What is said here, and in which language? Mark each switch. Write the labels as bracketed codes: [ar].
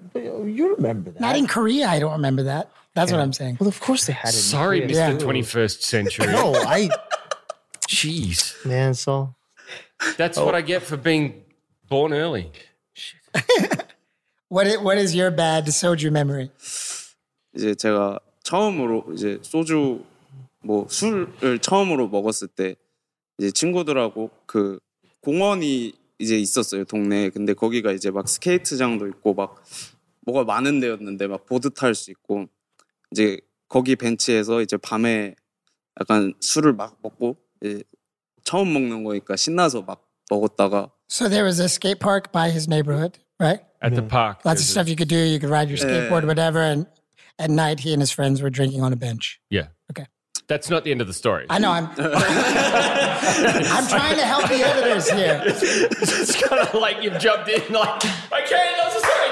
[en] You remember that. Not in Korea. I don't remember that. That's what I'm saying. Well, of course they had it. Sorry, Mr. Yeah. 21st century. No, I. Jeez. Man, so. That's what I get for being born early. What is your bad soju memory? [ko] 이제 제가 처음으로 이제 소주 뭐 술을 처음으로 먹었을 때 이제 친구들하고 그 공원이 이제 있었어요 동네에. 근데 거기가 이제 막 스케이트장도 있고 막 뭐가 많은 데였는데 막 보드 탈 수 있고 이제 거기 벤치에서 이제 밤에 약간 술을 막 먹고 이제 처음 먹는 거니까 신나서 막 먹었다가. [en] So there was a skate park by his neighborhood, right? At the park. Lots of stuff you could do. You could ride your skateboard, whatever. And at night, he and his friends were drinking on a bench. Yeah. Okay. That's not the end of the story. I know. I'm trying to help the editors here. It's kind of like you've jumped in like, okay, that was a story.